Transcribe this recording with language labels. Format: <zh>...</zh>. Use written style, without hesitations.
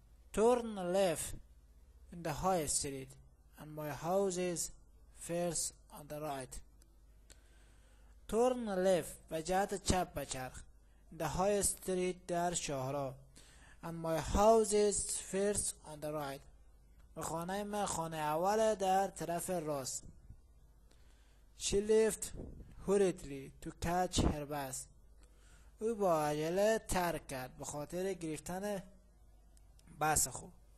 <en>Turn left in the high street and my house is first on the right. Turn left</en> <fa>و جهت چپ بچرخ.</fa> <en>In the high street</en> <fa>در شهرها.</fa> <en>And my house is first on the right.</en> <fa>و خانه من خانه اول در طرف راست.</fa> <en>She left hurriedly to catch her bus.</en> <fa>او با عجله ترک کرد به خاطر گرفتن بس خوب.</fa>